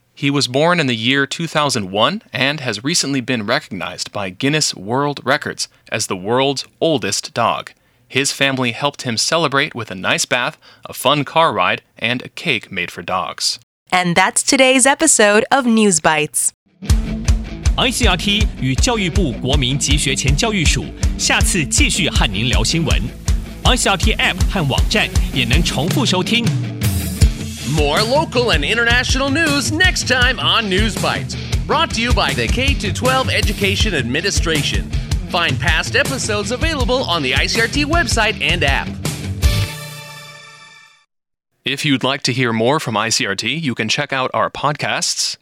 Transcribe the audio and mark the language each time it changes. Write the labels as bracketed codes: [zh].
[en] He was born in the year 2001 and has recently been recognized by Guinness World Records as the world's oldest dog. His family helped him celebrate with a nice bath, a fun car ride, and a cake made for dogs. And that's today's episode of News Bites. [zh] ICRT 与教育部国民及学前教育署下次继续和您聊新闻。 ICRT App 和网站也能重复收听。 [en] More local and international news next time on News Bites. Brought to you by the K-12 Education Administration. Find past episodes available on the ICRT website and app. If you'd like to hear more from ICRT, you can check out our podcasts.